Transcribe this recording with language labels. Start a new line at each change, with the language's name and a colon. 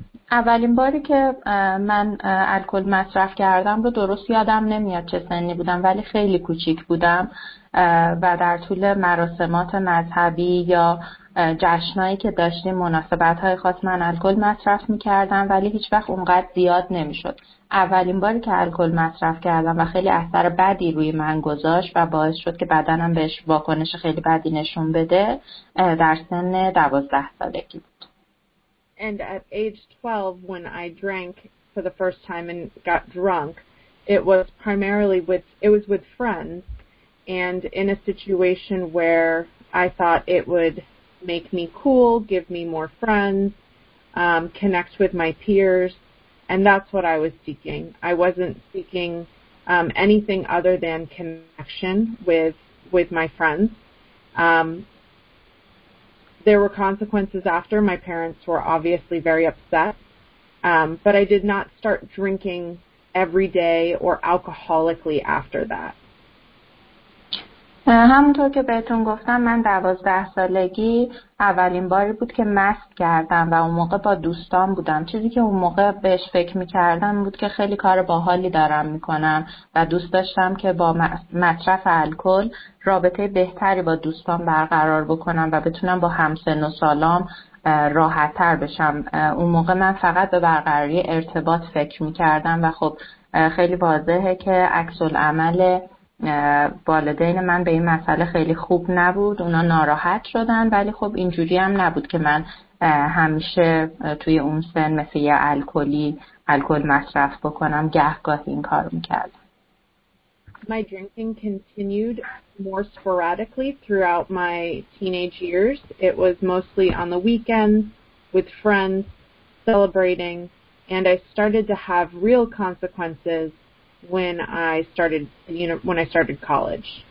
Persian: اولین باری که من الکل مصرف کردم رو درست یادم نمیاد چه سنی بودم، ولی خیلی کوچیک بودم و در طول مراسمات مذهبی یا جشنایی که داشتیم مناسبت‌های خاص من الکل مصرف می‌کردم، ولی هیچ وقت اونقدر زیاد نمی‌شد. اولین باری که الکل مصرف کردم و خیلی اثر بدی روی من گذاشت و باعث شد که بدنم بهش واکنش خیلی بدی نشون بده در سن 12 سالگی.
English: And at age 12, when I drank for the first time and got drunk, it was with friends and in a situation where I thought it would make me cool, give me more friends, connect with my peers, and that's what I was seeking. I wasn't seeking anything other than connection with my friends. There were consequences after. My parents were obviously very upset, but I did not start drinking every day or alcoholically after that.
Persian: همونطور که بهتون گفتم من 12 سالگی اولین باری بود که مست کردم و اون موقع با دوستان بودم. چیزی که اون موقع بهش فکر میکردم بود که خیلی کار باحالی دارم میکنم و دوست داشتم که با مصرف الکل رابطه بهتری با دوستان برقرار بکنم و بتونم با همسن و سالام راحت تر بشم. اون موقع من فقط به برقراری ارتباط فکر میکردم و خب خیلی واضحه که عکس العمل والدین من به این مسئله خیلی خوب نبود، اونا ناراحت شدن، ولی خب اینجوری هم نبود که من همیشه توی اون سن مثل یه الکلی الکل مصرف بکنم، گهگاه این کار رو میکردم.
English: My drinking continued more sporadically throughout my teenage years. It was mostly on the weekends with friends celebrating, and I started to have real consequences when I started college.